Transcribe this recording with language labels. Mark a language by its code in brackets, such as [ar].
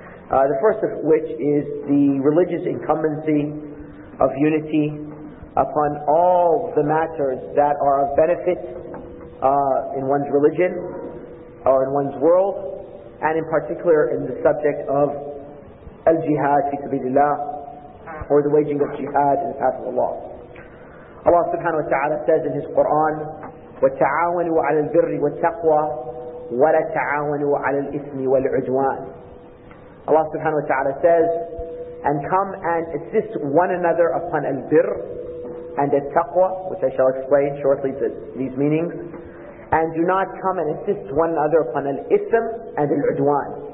[en] The first of which is the religious incumbency of unity upon all the matters that are of benefit in one's religion or in one's world, and in particular in the subject of al-jihad fi sabilillah, or the waging of jihad in the path of Allah. [ar] Allah subhanahu wa ta'ala says in His Quran, وَتَعَاوَنُوا عَلَى الْبِرِّ وَالتَّقْوَى وَلَا تَعَاوَنُوا عَلَى الْإِثْمِ وَالْعُدْوَانِ. [en] Allah subhanahu wa ta'ala says, and come and assist one another upon al-birr and at taqwa, which I shall explain shortly these meanings, and do not come and assist one another upon al-ithm and al-udwan.